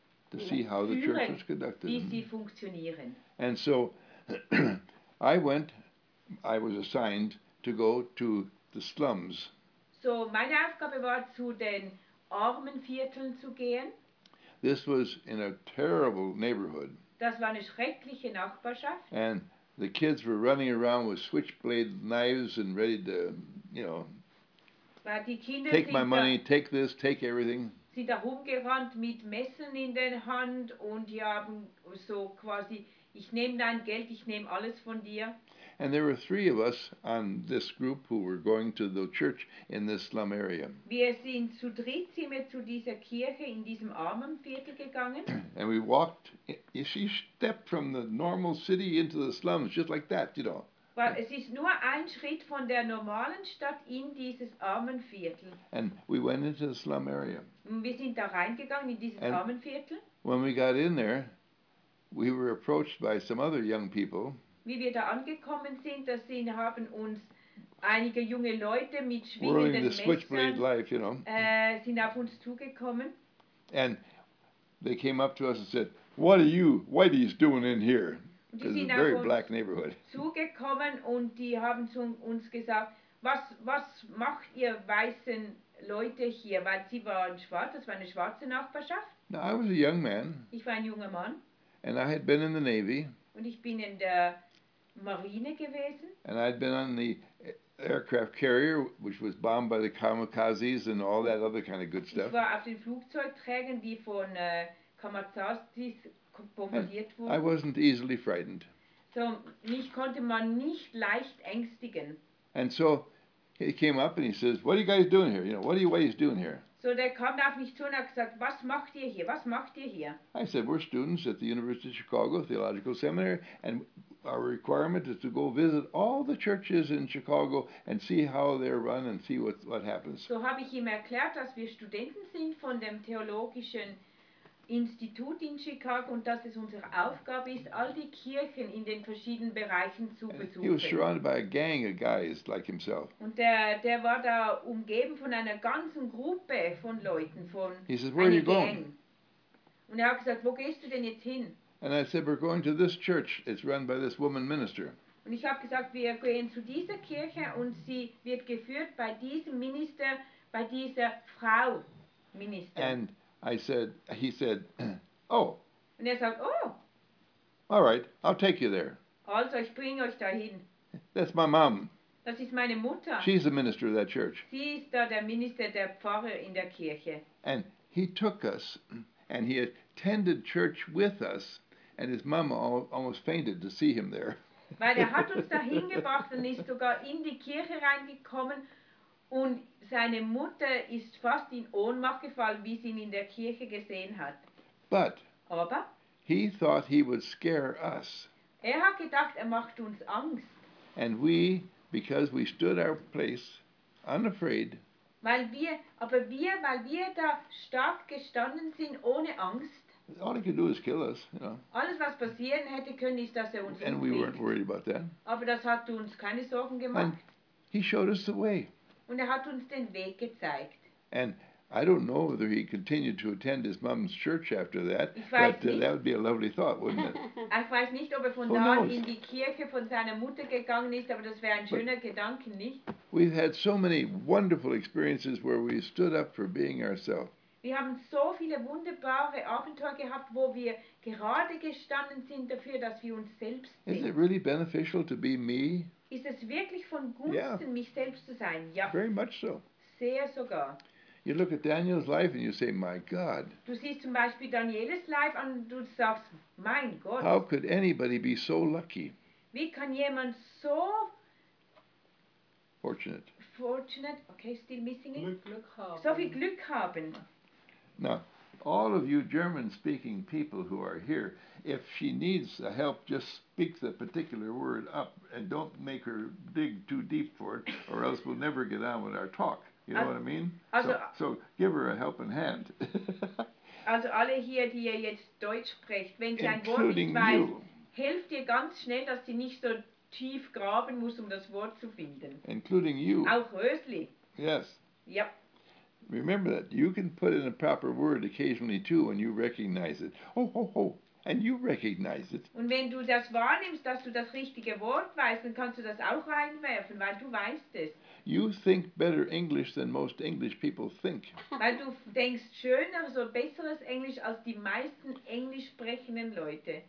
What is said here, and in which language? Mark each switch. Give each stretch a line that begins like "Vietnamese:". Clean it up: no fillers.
English: to see how the
German: führen,
English: church was conducted.
German: Wie sie funktionieren.
English: And so I was assigned to go to the slums.
German: So meine Aufgabe war zu den armen Vierteln zu gehen.
English: This was in a terrible neighborhood.
German: Das war eine schreckliche Nachbarschaft.
English: And the kids were running around with switchblade knives and ready to, you know, take my money, take this, take everything.
German: Sind da rumgerannt mit Messern in der Hand und die haben so quasi, ich nehme dein Geld, ich nehme alles von dir.
English: And there were three of us on this group who were going to the church in this slum area.
German: Wir sind zu dritt sind wir zu dieser Kirche in diesem armen Viertel gegangen.
English: And we walked, she stepped from the normal city into the slums just like that, you know.
German: Weil es ist nur ein Schritt von der normalen Stadt in dieses armen Viertel.
English: And we went into the slum area.
German: Und wir sind da reingegangen in dieses armen Viertel.
English: When we got in there, we were approached by some other young people.
German: Wie wir da angekommen sind, da sind haben uns einige junge Leute mit schwingenden Messern
English: life, you know.
German: Sind auf uns zugekommen.
English: And they came up to us and said, "What are you whiteys doing in here?"
German: Die sind
English: a very black neighborhood.
German: Zugekommen und die haben zu uns gesagt, was macht ihr weißen Leute hier, weil sie waren schwarz, das war eine schwarze Nachbarschaft.
English: Now, I was a young man.
German: Ich war ein junger Mann.
English: And I had been in the Navy.
German: Und ich bin in der Marine gewesen.
English: And I'd been on the aircraft carrier, which was bombed by the kamikazes and all that other kind of good stuff.
German: Ich war auf den Flugzeugträgern, die von Kamikazes bombardiert wurden.
English: I wasn't easily frightened.
German: So, mich konnte man nicht leicht ängstigen.
English: And so he came up and he says, "What are you guys doing here? You know, what are you guys doing here?"
German: So der kam auf mich zu und hat gesagt, was macht ihr hier? Was macht ihr hier?
English: I said, "We're students at the University of Chicago Theological Seminary, and our requirement is to go visit all the churches in Chicago and see how they're run and see what happens."
German: So habe ich ihm erklärt, dass wir Studenten sind von dem Theologischen Institut in Chicago und dass es unsere Aufgabe ist, all die Kirchen in den verschiedenen Bereichen zu besuchen.
English: He was surrounded by a gang of guys like himself.
German: Und der war da umgeben von einer ganzen Gruppe von Leuten, von
English: He says, "Where are you going?"
German: Und hat gesagt, wo gehst du denn jetzt hin?
English: And I said, "We're going to this church. It's run by this woman minister."
German: Und ich habe gesagt, wir gehen zu dieser Kirche und sie wird geführt bei diesem Minister, bei dieser Frau Minister.
English: And I said, he said, "Oh."
German: Und sagt, "Oh."
English: "All right, I'll take you there."
German: Also, ich bring euch dahin.
English: "That's my mom."
German: Das ist meine Mutter.
English: "She's the minister of that church."
German: Sie ist da der Minister, der Pfarrer in der Kirche.
English: And he took us, and he attended church with us, and his mama almost fainted to see him there.
German: Weil hat uns dahin gebracht und ist sogar in die Kirche reingekommen. Und seine Mutter ist fast in Ohnmacht gefallen, wie sie ihn in der Kirche gesehen hat.
English: But
German: aber
English: he thought he would scare us.
German: Er hat gedacht, er macht uns Angst.
English: And we, because we stood our place unafraid.
German: Weil wir da stark gestanden sind ohne Angst.
English: All he could do is kill us, you know.
German: Alles was passieren hätte können ist, dass er uns umbringt.
English: And we weren't worried about that.
German: Aber das hat uns keine Sorgen gemacht.
English: And he showed us the way.
German: Und hat uns den Weg gezeigt.
English: And I don't know whether he continued to attend his mom's church after that, but that would be a lovely thought, wouldn't it?
German: Ich weiß nicht, ob von da in die Kirche von seiner Mutter gegangen ist, aber das wäre ein schöner Gedanke, nicht?
English: We've had so many wonderful experiences where we stood up for being ourselves.
German: Wir haben so viele wunderbare Abenteuer gehabt, wo wir gerade gestanden sind dafür, dass wir uns selbst sind.
English: Is it really beneficial to be me?
German: Ist es wirklich von Gunsten, yeah, mich selbst zu sein? Ja.
English: Very much so.
German: Sehr sogar.
English: You look at Daniel's life and you say, my God.
German: Du siehst zum Beispiel Danieles
English: Life
German: und du sagst, mein Gott.
English: How could anybody be so lucky?
German: Wie kann jemand so
English: fortunate? Fortunate. Okay, still missing it.
German: Glück haben. So viel Glück haben.
English: Now, all of you German-speaking people who are here, if she needs the help, just speak the particular word up and don't make her dig too deep for it, or else we'll never get on with our talk. You know what I mean? So give her a helping hand.
German: Also alle hier, die ihr jetzt Deutsch sprecht, wenn sie ein Wort nicht weiß, helft ihr ganz schnell, dass sie nicht so tief graben muss, um das Wort zu finden.
English: Including you.
German: Auch Rösli.
English: Yes. Yep. Remember that. You can put in a proper word occasionally too when you recognize it. Ho, ho, ho. And you recognize it.
German: Und wenn du das wahrnimmst, dass du das richtige Wort weißt, dann kannst du das auch reinwerfen, weil du weißt es.
English: You think better English than most English people think.
German: Weil du denkst schöner, so besseres Englisch als die meisten Englisch sprechenden Leute.